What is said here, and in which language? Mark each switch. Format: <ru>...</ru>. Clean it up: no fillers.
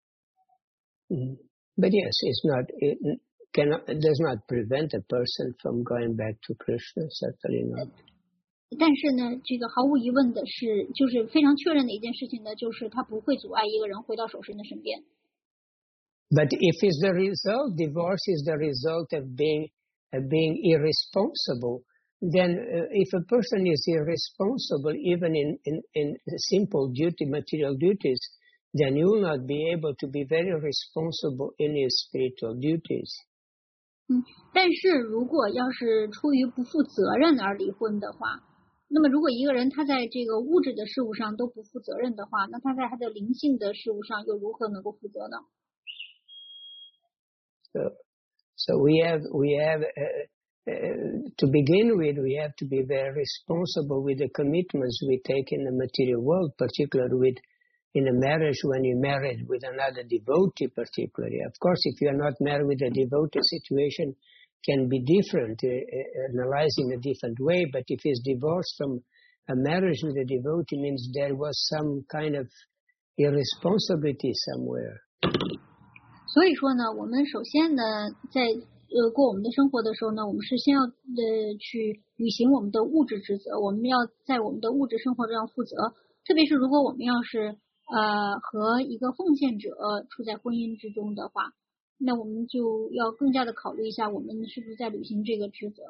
<en>yes, it does not prevent a person from going back to Krishna, certainly not.</en> <zh>但是呢，这个毫无疑问的是，就是非常确认的一件事情呢，就是他不会阻碍一个人回到守身的身边。</zh> <en>But if is the result, divorce is the result of being irresponsible, then if a person is irresponsible, even in simple duty, material duties, then you will not be able to be very responsible in your spiritual duties.</en> <zh>但是如果要是出于不负责任而离婚的话，那么如果一个人他在这个物质的事物上都不负责任的话，那他在他的灵性的事物上又如何能够负责呢？</zh> <en>So we have to be very responsible with the commitments we take in the material world, particularly in a marriage, when you're married with another devotee particularly. Of course, if you are not married with a devotee, situation can be different, analyzing a different way. But if he's divorced from a marriage with a devotee, means there was some kind of irresponsibility somewhere.</en> <zh>所以说呢，我们首先呢，在过我们的生活的时候呢，我们是先要去履行我们的物质职责，我们要在我们的物质生活上负责。特别是如果我们要是和一个奉献者处在婚姻之中的话，那我们就要更加的考虑一下我们是不是在履行这个职责。</zh>